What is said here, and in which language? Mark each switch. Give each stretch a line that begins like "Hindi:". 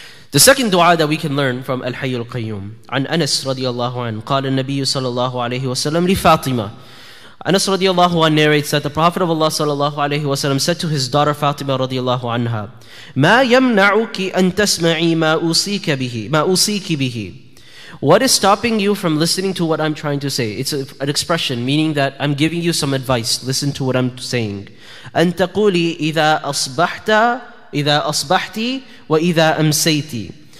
English: The second dua that we can learn from Al-Hayyul Qayyum,
Arabic: عن أنس رضي الله عنه, قال النبي صلى الله عليه وسلم لفاطمة.
English: Anas radiallahu anhu narrates that the Prophet of Allah sallallahu alayhi wasallam said to his daughter Fatima radiallahu anha,
Arabic: مَا يَمْنَعُكِ أَن تَسْمَعِي مَا أُوصِيكَ بِهِ مَا أُوصِيكِ بِهِ.
English: What is stopping you from listening to what I'm trying to say? It's an expression meaning that I'm giving you some advice. Listen to what I'm saying.
Arabic: أَن تَقُولِي إِذَا أَصْبَحْتَ إِذَا أَصْبَحْتِ وَإِذَا أَمْسَيْتِ.